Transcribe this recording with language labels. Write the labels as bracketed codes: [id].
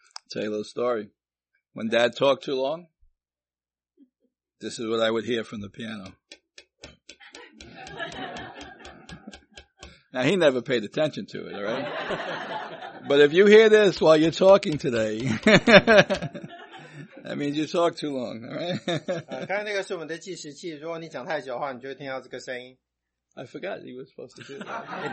[en] Tell you a little story. When Dad talked too long, this is what I would hear from the piano. Now, he never paid attention to it, all right? But if you hear this while you're talking today, that means you talk too long, all right? [zh] 刚才那个是我们的计时器，如果你讲太久的话，你就会听到这个声音。 [en] I forgot he was supposed to do that.